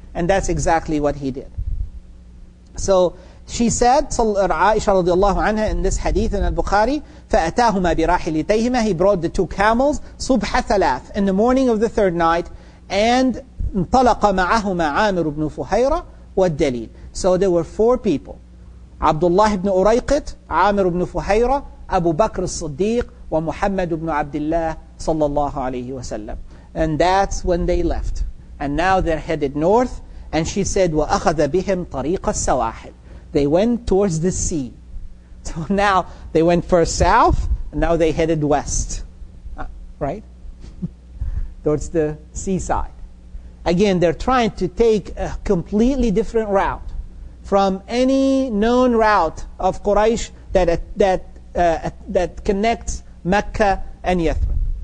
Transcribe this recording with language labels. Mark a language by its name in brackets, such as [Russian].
[English] And that's exactly what he did. So she said, Aisha radiallahu anha, in this hadith in al-Bukhari, [Arabic] فَأَتَاهُمَا بِرَاحِلِتَيْهِمَا, [English] he brought the two camels, [Arabic] صُبْحَ ثَلَاثٍ, [English] in the morning of the third night, and [Arabic] انطَلَقَ مَعَهُمَا عَامِرُ بْنُ فُهَيْرَ وَالدَّلِيلِ. [English] So there were four people. Abdullah ibn Urayqit, Amir ibn Fuhayra, Abu Bakr al-Siddiq, wa Muhammad ibn Abdullah sallallahu alayhi wa sallam. And that's when they left. And now they're headed north. And she said, [Arabic] وَأَخَذَ بِهِمْ طَرِيقَ السَّوَاحِلِ. [English] They went towards the sea. So now they went first south, and now they headed west. Right? Towards the seaside. Again, they're trying to take a completely different route from any known route of Quraysh that connects Mecca and Yathrib.